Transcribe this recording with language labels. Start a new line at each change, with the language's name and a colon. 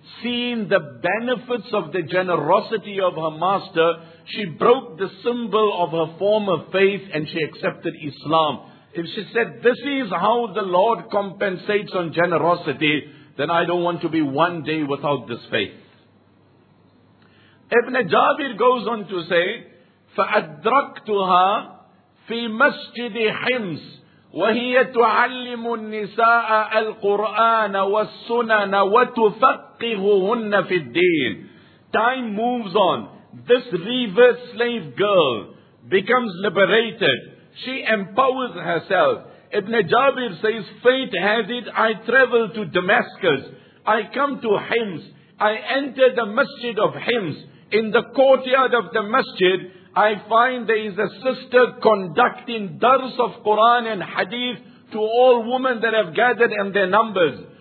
English: Seeing the benefits of the generosity of her master, she broke the symbol of her former faith and she accepted Islam. If she said, this is how the Lord compensates on generosity, then I don't want to be one day without this faith. Ibn Jabir goes on to say,
Arabic: فَأَدْرَكْتُهَا فِي مَسْجِدِ حِمْسِ وَهِيَ تُعَلِّمُ النِّسَاءَ الْقُرْآنَ وَالسُّنَنَ وَتُفَقِّهُهُنَّ فِي الدِّينِ
English: Time moves on. This reverse slave girl becomes liberated. She empowers herself. Ibn Jabir says, fate has it, I travel to Damascus. I come to Hims. I enter the masjid of Hims. In the courtyard of the masjid, I find there is a sister conducting dars of Quran and hadith to all women that have gathered and their numbers.